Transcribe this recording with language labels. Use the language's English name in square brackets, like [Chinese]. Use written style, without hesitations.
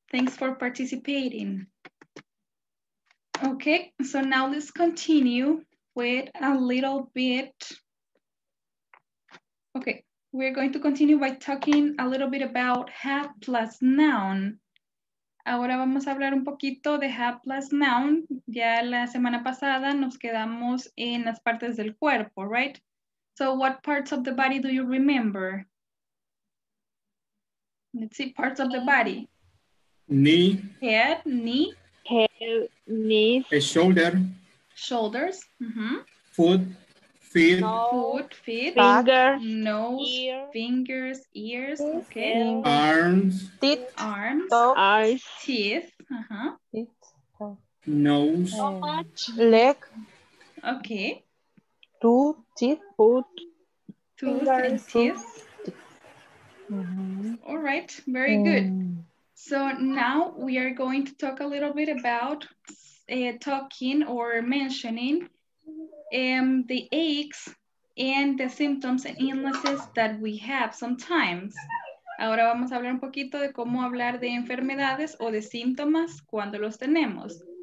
[English] Thanks for participating. Okay, so now let's continue with a little bit. Okay, we're going to continue by talking a little bit about have+noun. [Spanish] Ahora vamos a hablar un poquito de have+noun. Ya la semana pasada nos quedamos en las partes del cuerpo, right? [English] So what parts of the body do you remember? Let's see, parts of the body. Knee. Head, knee. Knee. A shoulder. Shoulders. Mm-hmm. Foot. Feet. Nose. Foot, feet. Finger. Nose. Ear. Fingers, ears. Okay. Arms. Teeth. Arms. Eyes. Teeth. Uh-huh. Teeth. Nose. Touch. Leg. Okay. Tooth. Teeth. Foot. Tooth and teeth. Mm-hmm. All right. Very good. So now we are going to talk a little bit about talking or mentioning the aches and the symptoms and illnesses that we have sometimes. [Spanish] Ahora vamos a hablar un poquito de cómo hablar de enfermedades o de síntomas cuando los tenemos.